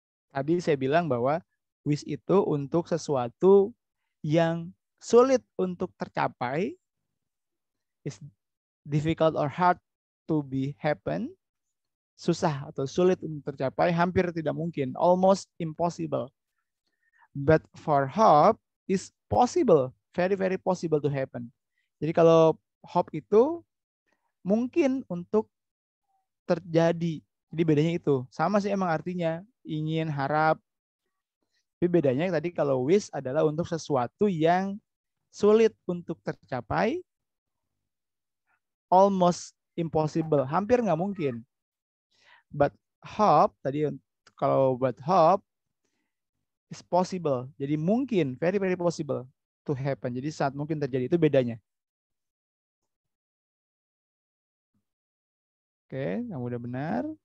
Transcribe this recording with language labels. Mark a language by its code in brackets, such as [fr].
[id] Tadi saya bilang bahwa wish itu untuk sesuatu yang sulit untuk tercapai, is difficult or hard to be happen, susah atau sulit untuk tercapai, hampir tidak mungkin, almost impossible. [en] But for hope is possible, very very possible to happen. [id] Jadi kalau hope itu mungkin untuk terjadi. Jadi bedanya itu. Sama sih emang artinya. Ingin, harap. Tapi bedanya tadi kalau wish adalah untuk sesuatu yang sulit untuk tercapai. Almost impossible. Hampir nggak mungkin. [en] But hope, tadi kalau but hope, is possible. Jadi mungkin, very very possible to happen. [id] Jadi saat mungkin terjadi, itu bedanya. Oke, okay, yang udah benar.